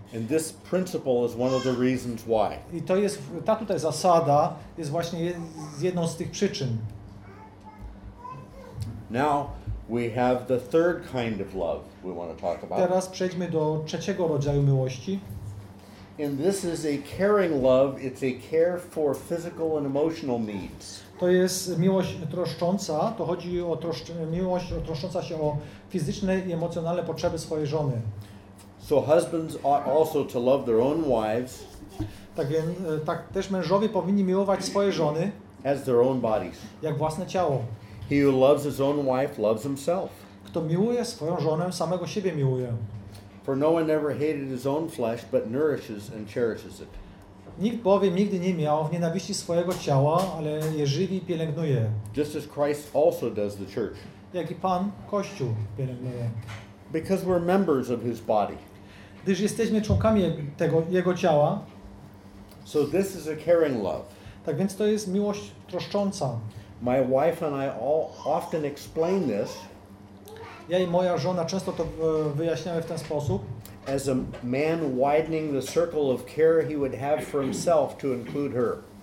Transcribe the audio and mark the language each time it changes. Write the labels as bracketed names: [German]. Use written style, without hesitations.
[English] And this principle is one of the reasons why. [Polish] I to jest ta tutaj zasada jest właśnie jedną z tych przyczyn. [English] Now we have the third kind of love we want to talk about. [Polish] Teraz przejdźmy do trzeciego rodzaju miłości. [English] And this is a caring love. It's a care for physical and emotional needs. [Polish] To jest miłość troszcząca. To chodzi o miłość troszcząca się o fizyczne i emocjonalne potrzeby swojej żony. [English] So husbands ought also to love their own wives. [Polish] Tak też mężowie powinni miłować swoje żony. [English] As their own bodies. [Polish] Jak własne ciało. [English] He who loves his own wife loves himself. [Polish] Kto miłuje swoją żonę, samego siebie miłuje. [English] For no one ever hated his own flesh, but nourishes and cherishes it. [Polish] Nikt bowiem nigdy nie miał w nienawiści swojego ciała, ale je żywi i pielęgnuje. [English] Just as Christ also does the church. [Polish] Jak i Pan Kościół pielęgnuje. [English] Because we're members of his body. [Polish] Gdyż jesteśmy członkami jego ciała. [English] So this is a caring love. [Polish] Tak więc to jest miłość troszcząca. [English] My wife and I all often explain this. [Polish] Ja i moja żona często to wyjaśniamy w ten sposób. [English] As a man widening the circle of care he would have for himself to include her.